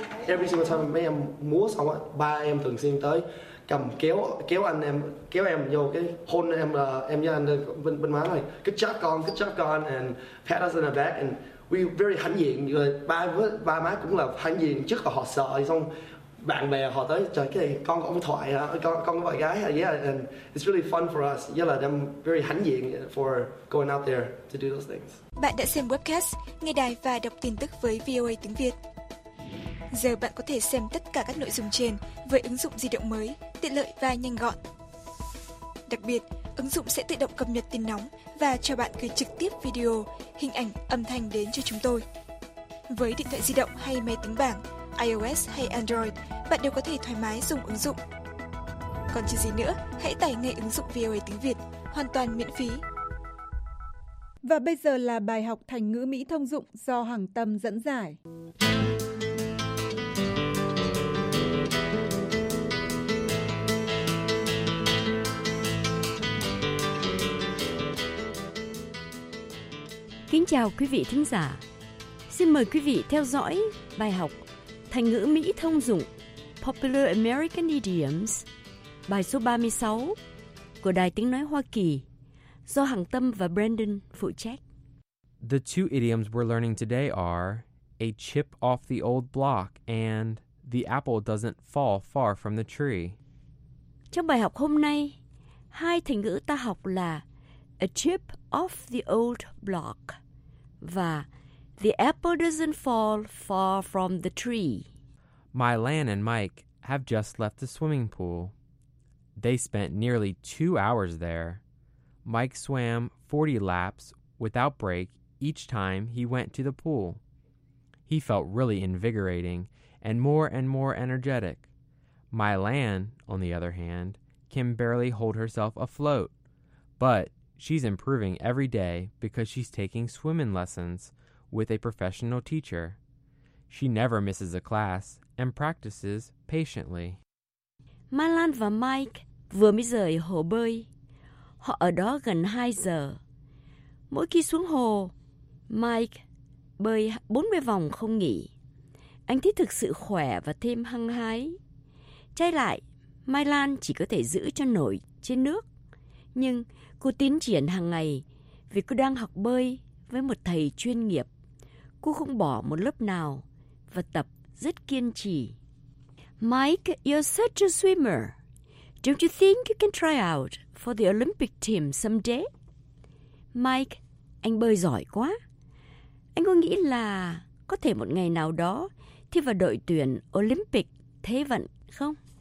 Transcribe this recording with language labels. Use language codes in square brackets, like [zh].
[en] Every single time [vi] mấy em múa xong, ba em thường xuyên tới cầm kéo anh em, kéo em vô cái hôn em, là em với anh bên má này, [en] good job [vi] con [en] and pat us on the back and we very [vi] hãnh diện. Ba má cũng là hãnh diện trước, họ sợ, xong bạn bè họ tới, trời cái này con có ông thoại hả, con có bạn gái hả? [en] Yeah, and it's really fun for us. Yeah, là I'm very hãnh diện for going out there to do those things. [vi] Bạn đã xem webcast nghe đài và đọc tin tức với VOA tiếng Việt. Giờ bạn có thể xem tất cả các nội dung trên với ứng dụng di động mới, tiện lợi và nhanh gọn. Đặc biệt, ứng dụng sẽ tự động cập nhật tin nóng và cho bạn gửi trực tiếp video, hình ảnh, âm thanh đến cho chúng tôi. Với điện thoại di động hay máy tính bảng, iOS hay Android, bạn đều có thể thoải mái dùng ứng dụng. Còn chờ gì nữa, hãy tải ngay ứng dụng VOA tiếng Việt, hoàn toàn miễn phí. Và bây giờ là bài học thành ngữ Mỹ thông dụng do Hằng Tâm dẫn giải. Kính chào quý vị thính giả. Xin mời quý vị theo dõi bài học Thành ngữ Mỹ thông dụng Popular American Idioms, bài số 36 của Đài Tiếng Nói Hoa Kỳ do Hằng Tâm và Brandon phụ trách. [en] The two idioms we're learning today are a chip off the old block and the apple doesn't fall far from the tree. [vi] Trong bài học hôm nay, hai thành ngữ ta học là [en] a chip off the old block [vi] và [en] the apple doesn't fall far from the tree. My Lan and Mike have just left the swimming pool. They spent nearly 2 hours there. Mike swam 40 laps without break each time he went to the pool. He felt really invigorating and more energetic. My Lan, on the other hand, can barely hold herself afloat. But she's improving every day because she's taking swimming lessons with a professional teacher. She never misses a class and practices patiently. [vi] My Lan và Mike vừa mới rời hồ bơi. Họ ở đó gần 2 giờ. Mỗi khi xuống hồ, Mike bơi 40 vòng không nghỉ. Anh thấy thực sự khỏe và thêm hăng hái. Trái lại, My Lan chỉ có thể giữ cho nổi trên nước. Nhưng cô tiến triển hàng ngày vì cô đang học bơi với một thầy chuyên nghiệp. Cô không bỏ một lớp nào và tập rất kiên trì. [en] Mike, you're such a swimmer. Don't you think you can try out for the Olympic team someday? [vi] Mike, anh bơi giỏi quá. Anh có nghĩ là có thể một ngày nào đó thi vào đội tuyển Olympic thế vận không?